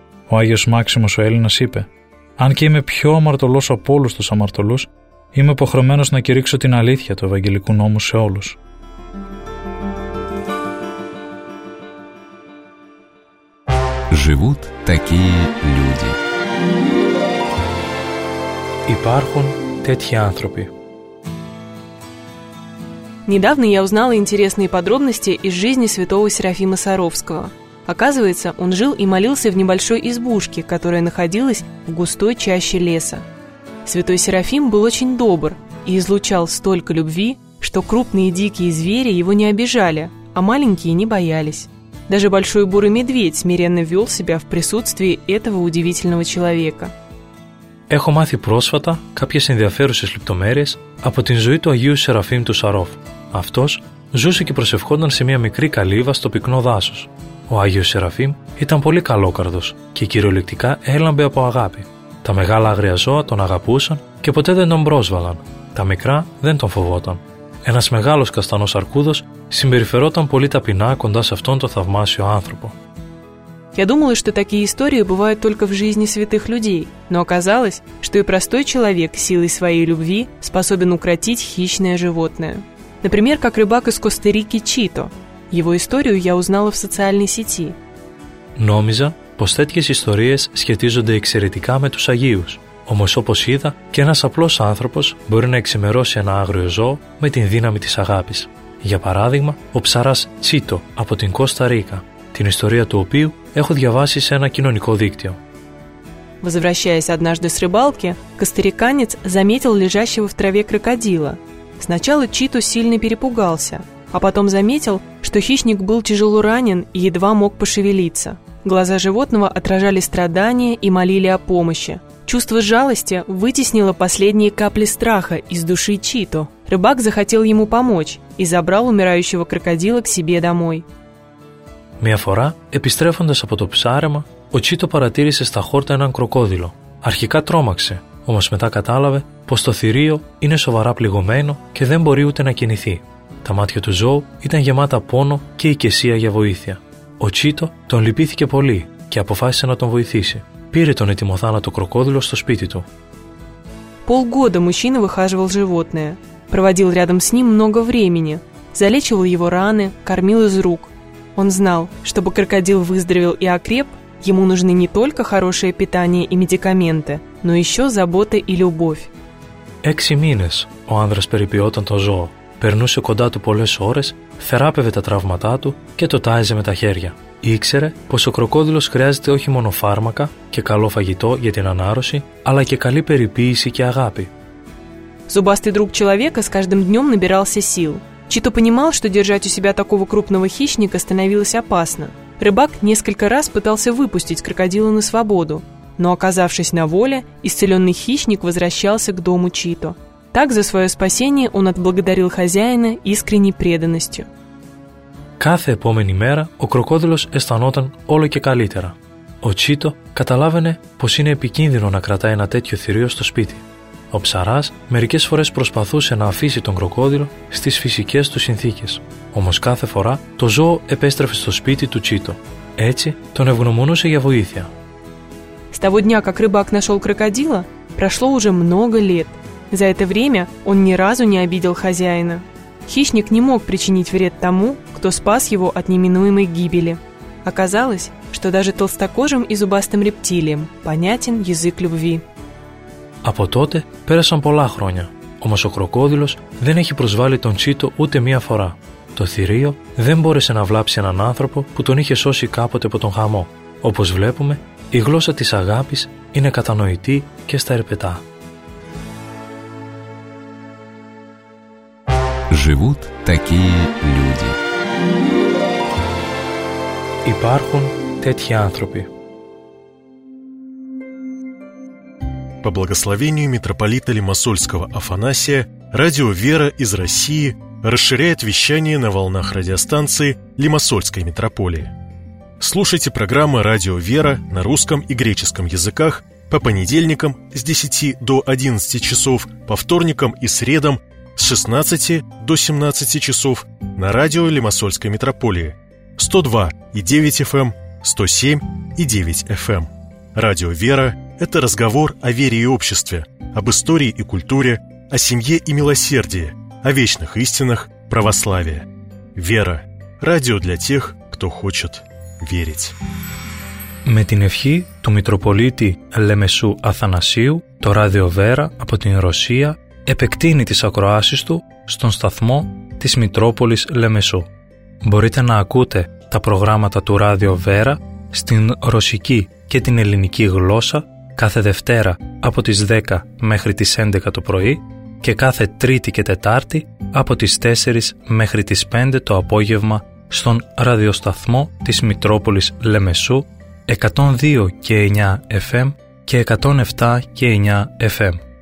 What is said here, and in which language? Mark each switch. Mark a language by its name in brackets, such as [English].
[Greek] Ο Άγιος Μάξιμος ο Έλληνας είπε: «Αν και είμαι πιο αμαρτωλός από όλους τους αμαρτωλούς, είμαι υποχρεωμένος να κηρύξω την αλήθεια του Ευαγγελικού νόμου σε όλους». [Russian] Живут такие люди. [Greek] Υπάρχουν τέτοιοι άνθρωποι. [Russian] Недавно я узнала интересные подробности из жизни святого Серафима Саровского. Оказывается, он жил и молился в небольшой избушке, которая находилась в густой чаще леса. Святой Серафим был очень добр и излучал столько любви, что крупные дикие звери его не обижали, а маленькие не боялись. Даже большой бурый медведь смиренно вел себя в присутствии этого удивительного человека. [Greek] Έχω μάθει πρόσφατα κάποιες ενδιαφέρουσες λεπτομέρειες από την ζωή του Αγίου Σεραφείμ του Σαρόφ. Αυτός ζούσε και προσευχόταν σε μια μικρή καλύβα στο πυκνό δάσος. Ο Άγιος Σεραφείμ ήταν πολύ καλόκαρδος και κυριολεκτικά έλαμπε από αγάπη. Τα μεγάλα άγρια ζώα τον αγαπούσαν και ποτέ δεν τον πρόσβαλαν. Τα μικρά δεν τον φοβόταν. Ένας μεγάλος καστανός αρκούδος συμπεριφερόταν πολύ ταπεινά κοντά σε αυτόν τον θαυμάσιο άνθρωπο. [Russian] Я думала, что такие истории бывают только в жизни святых людей, но оказалось, что и простой человек силой своей любви способен укротить хищное животное. Например, как рыбак из Коста-Рики Чито. Его историю я узнала в социальной сети. [Greek] Νόμιζα, πως τέτοιες ιστορίες σχετίζονται εξαιρετικά με τους Αγίους. Όμως, όπως είδα, και ένας απλός άνθρωπος μπορεί να εξημερώσει ένα άγριο ζώο με την δύναμη της αγάπης. Για παράδειγμα, ο ψαράς Τσίτο από την Κώστα-Ρίκα, την ιστορία του οποίου έχω διαβάσει σε ένα κοινωνικό δίκτυο. [Russian] Возвращаясь однажды с рыбалки, костариканец заметил лежащего в траве крокодила. Сначала Чито сильно перепугался, а потом заметил, что хищник был тяжело ранен и едва мог пошевелиться. Глаза животного отражали страдания и молили о помощи. Чувство жалости вытеснило последние капли страха из души Чито. Рыбак захотел ему помочь и забрал умирающего крокодила к себе домой. [Greek] Μια φορά, επιστρέφοντας από το ψάρεμα, ο Τσίτο παρατήρησε στα χόρτα έναν κροκόδιλο. Αρχικά τρόμαξε, όμως μετά κατάλαβε πως το θηρίο είναι σοβαρά πληγωμένο και δεν μπορεί ούτε να κινηθεί. Τα μάτια του ζώου ήταν γεμάτα πόνο και εικαισία για βοήθεια. Ο Τσίτο τον λυπήθηκε πολύ και αποφάσισε να τον βοηθήσει. Πήρε τον ετοιμοθάνατο κροκόδιλο στο σπίτι του. [Russian] Полгода мужчина выхаживал животное. проводил рядом с ним много времени, залечивал его раны, кормил из рук. Он знал, чтобы крокодил выздоровел и окреп, ему нужны не только хорошее питание и медикаменты, но еще забота и любовь. [Greek] Έξι μήνες ο άνδρας περιποιόταν το ζώο, περνούσε κοντά του πολλές ώρες, θεράπευε τα τραύματά του και το τάιζε με τα χέρια. Ήξερε πως ο κροκόδιλος χρειάζεται όχι μόνο φάρμακα και καλό φαγητό για την ανάρρωση, αλλά και καλή περιποίηση και αγάπη. [Russian] Зубастый друг человека с каждым днем набирался сил. Чито понимал, что держать у себя такого крупного хищника становилось опасно. Рыбак несколько раз пытался выпустить крокодила на свободу. Но, оказавшись на воле, исцеленный хищник возвращался к дому Чито. Так за свое спасение он отблагодарил хозяина искренней преданностью. [Greek] Кафе помени мера, о крокодилос эстанотан оло ке калитера. О Чито каталавене, пос ине эпикиндино на кратае на тетьо θηρίο στο σπίτι. Ο ψαράς μερικές φορές προσπαθούσε να αφήσει τον κροκόδιλο στις φυσικές του συνθήκες. Όμως κάθε φορά το ζώο επέστρεφε στο σπίτι του Чито. Έτσι τον ευγνωμονούσε για βοήθεια. [Russian] С того дня, как рыбак нашел крокодила, прошло уже много лет. За это время он ни разу не обидел хозяина. Хищник не мог причинить вред тому, кто спас его от неминуемой гибели. Оказалось, что даже толстокожим и зубастым рептилиям понятен язык любви. [Greek] Από τότε πέρασαν πολλά χρόνια, όμως ο κροκόδιλος δεν έχει προσβάλει τον Τσίτο ούτε μία φορά. Το θηρίο δεν μπόρεσε να βλάψει έναν άνθρωπο που τον είχε σώσει κάποτε από τον χαμό. Όπως βλέπουμε, η γλώσσα της αγάπης είναι κατανοητή και στα ερπετά. [Russian] Живут такие люди. [Greek] Υπάρχουν τέτοιοι άνθρωποι. [Russian] По благословению митрополита Лимассольского Афанасия, радио «Вера» из России расширяет вещание на волнах радиостанции Лимассольской митрополии. Слушайте программы «Радио «Вера» на русском и греческом языках по понедельникам с 10 до 11 часов, по вторникам и средам с 16 до 17 часов на радио Лимассольской митрополии 102.9 FM, 107.9 FM. Радио «Вера» – это разговор о вере и обществе, об истории и культуре, о семье и милосердии, о вечных истинах православия. «Вера» – радио для тех, кто хочет верить. [Greek] Με την ευχή του Μητροπολίτη Λεμεσού Αθανασίου, το Ράδιο Βέρα από την Ρωσία επεκτείνει τις ακροάσεις του στον σταθμό της Μητρόπολης Λεμεσού. Μπορείτε να ακούτε τα προγράμματα του Ράδιο Βέρα στην ρωσική και την ελληνική γλώσσα κάθε Δευτέρα από τις 10 μέχρι τις 11 το πρωί και κάθε Τρίτη και Τετάρτη από τις 4 μέχρι τις 5 το απόγευμα στον ραδιοσταθμό της Μητρόπολης Λεμεσού 102 και 9 FM και 107 και 9 FM.